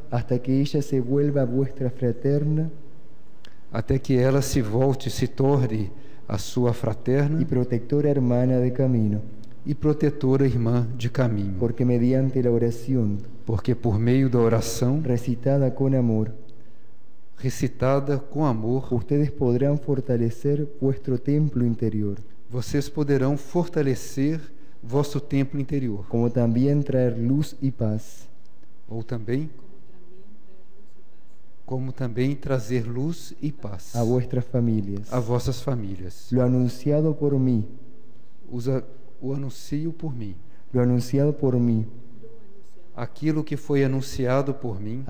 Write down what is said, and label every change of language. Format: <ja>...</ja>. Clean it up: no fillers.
<es>hasta que ella se vuelva vuestra fraterna,</es> <pt>até que ela se volte, se torne a sua fraterna</pt> <es>y protectora hermana de camino,</es> <pt>e protetora irmã de caminho,</pt> <es>porque mediante la oración,</es> <pt>porque por meio da oração</pt> <es>recitada con amor,</es> <pt>recitada com amor,</pt> <es>ustedes podrán fortalecer vuestro templo interior,</es> <pt>vocês poderão fortalecer vosso templo interior,</pt> <es>como también traer luz y paz,</es> <pt>ou também como também trazer luz e paz</pt> <es>a vuestras famílias,</es> <pt>a vossas famílias.</pt> <es>Lo anunciado por mí,</es> <pt>o anuncio por mim,</pt> <es>lo anunciado por mí,</es> <pt>aquilo que foi anunciado por mim,</pt>